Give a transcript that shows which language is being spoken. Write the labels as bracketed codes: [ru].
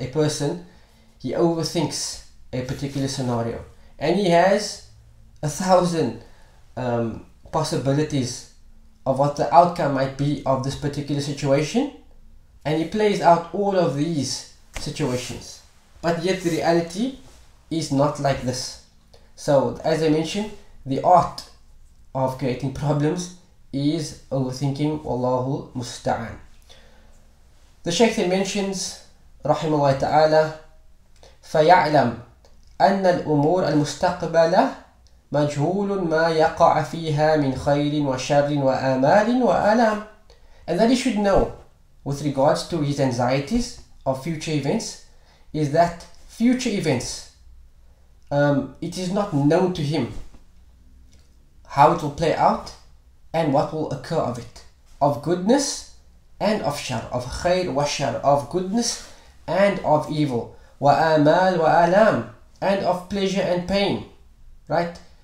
[en] A person, he overthinks a particular scenario and he has 1,000 possibilities of what the outcome might be of this particular situation, and he plays out all of these situations. But yet the reality is not like this. So as I mentioned, the art of creating problems is overthinking. [ar] Wallahu musta'an. [en] The Shaykh then mentions, [ar] rahimahullah ta'ala, فَيَعْلَمْ أَنَّ الْأُمُورَ الْمُسْتَقْبَلَ مَجْهُولٌ مَا يَقَعَ فِيهَا مِنْ خَيْرٍ وَشَرٍ وَآمَالٍ وَآلَامٍ. [en] And that he should know with regards to his anxieties of future events is that future events, it is not known to him how it will play out and what will occur of it, of goodness and of shar, of [ar] khayr wa shar, [en] of goodness and of evil, [ar] wa amal wa alam, [en] and of pleasure and pain, right?